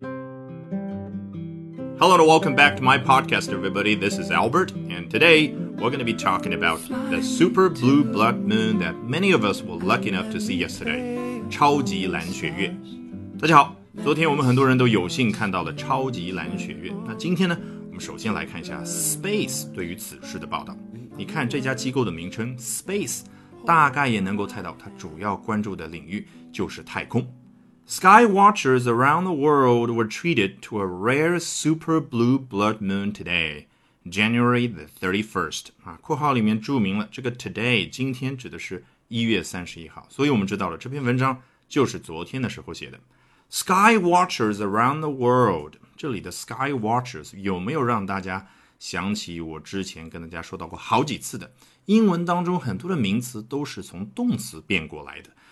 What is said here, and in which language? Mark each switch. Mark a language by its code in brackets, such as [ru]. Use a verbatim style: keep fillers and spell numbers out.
[en] Hello and welcome back to my podcast, everybody. This is Albert, and today we're going to be talking about the super blue blood moon that many of us were lucky enough to see yesterday. [zh] 超级蓝血月。大家好，昨天我们很多人都有幸看到了超级蓝血月。那今天呢，我们首先来看一下 Space 对于此事的报道。你看这家机构的名称 Space， 大概也能够猜到它主要关注的领域就是太空。 [en] Sky watchers around the world were treated to a rare super blue blood moon today, January the thirty-first. [zh] 啊，括号里面注明了这个 today 今天指的是一月三十一号，所以我们知道了这篇文章就是昨天的时候写的。 [en] Sky watchers around the world， [zh] 这里的 sky watchers 有没有让大家想起我之前跟大家说到过好几次的，英文当中很多的名词都是从动词变过来的。